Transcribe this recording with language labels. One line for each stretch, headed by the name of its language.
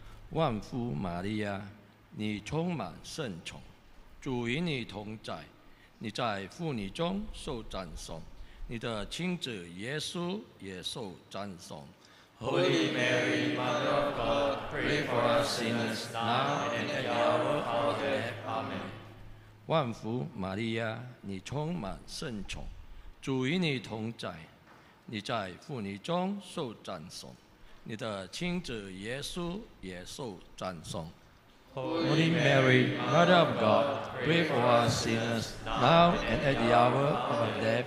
Chinese: 万父玛利亚，你充满圣宠，主与你同在，你在妇女中受赞颂，你的亲子耶稣同受赞颂。
English: Holy Mary, Mother of God, pray for us sinners now and at the hour of our death. Amen.
Chinese: 万父玛利亚，你充满圣宠，主与你同在，你在妇女中受赞颂。你的亲子耶稣也受赞颂。
English: Holy Mary, Mother of God, pray for us sinners now and at the hour of our death.